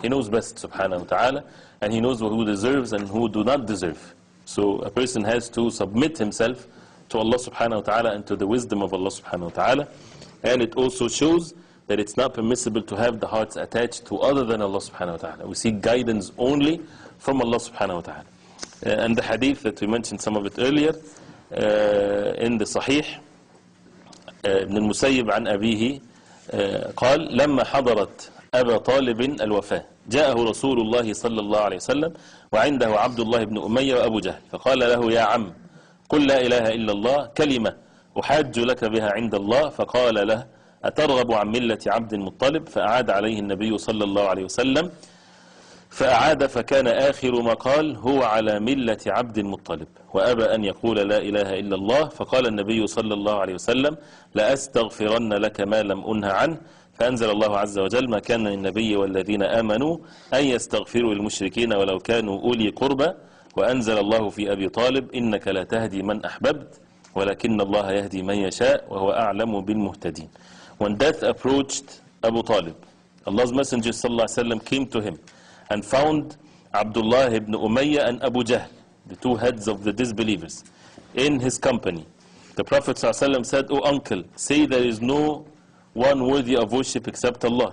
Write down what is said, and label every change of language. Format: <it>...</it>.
<en>He knows best subhanahu wa ta'ala, and He knows who deserves and who do not deserve. So a person has to submit himself to Allah subhanahu wa ta'ala and to the wisdom of Allah subhanahu wa ta'ala. And it also shows that it's not permissible to have the hearts attached to other than Allah subhanahu wa ta'ala. We seek guidance only from Allah subhanahu wa ta'ala. And the hadith that we mentioned some of it earlier in the Sahih, ibn al-Musayyib an abihi</en> <ar>قال لما حضرت أبا طالب الوفاة جاءه رسول الله صلى الله عليه وسلم وعنده عبد الله بن أمية وأبو جهل فقال له يا عم قل لا إله إلا الله كلمة أحج لك بها عند الله فقال له أترغب عن ملة عبد المطلب؟ فأعاد عليه النبي صلى الله عليه وسلم فأعاد، فكان آخر ما قال هو على ملة عبد المطلب، وأبى أن يقول لا إله إلا الله. فقال النبي صلى الله عليه وسلم لأستغفرن لك ما لم أنه عنه. فأنزل الله عز وجل ما كان للنبي والذين آمنوا أن يستغفروا للمشركين ولو كانوا أولي قربى. وأنزل الله في أبي طالب إنك لا تهدي من أحببت ولكن الله يهدي من يشاء وهو أعلم بالمهتدين.</ar> <en>When death approached Abu Talib, Allah's Messenger صلى الله عليه وسلم came to him and found Abdullah ibn Umayyah and Abu Jahl, the two heads of the disbelievers, in his company. The Prophet صلى الله عليه وسلم said, O uncle, say there is no one worthy of worship except Allah.</en>